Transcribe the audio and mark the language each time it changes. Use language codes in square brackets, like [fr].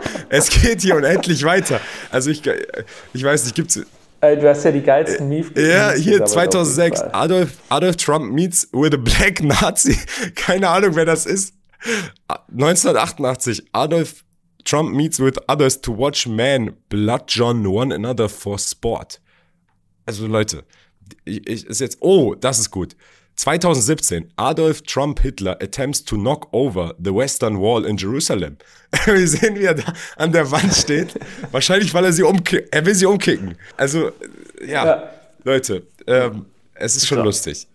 [de] Es geht hier unendlich weiter. Also ich weiß nicht, gibt's... Du hast ja die geilsten Memes. Ja, hier 2006. [en] Adolf Trump meets with a black Nazi. [de] Keine Ahnung, wer das ist. 1988. [en] Adolf Trump meets with others to watch men bludgeon one another for sport. [de] Also Leute, ich ist jetzt, oh, das ist gut. [en] 2017, Adolf Trump Hitler attempts to knock over the Western Wall in Jerusalem. [de] Wir sehen, wie er da an der Wand steht. Wahrscheinlich, weil er will sie umkicken. Also, ja. Leute, es ist schon lustig.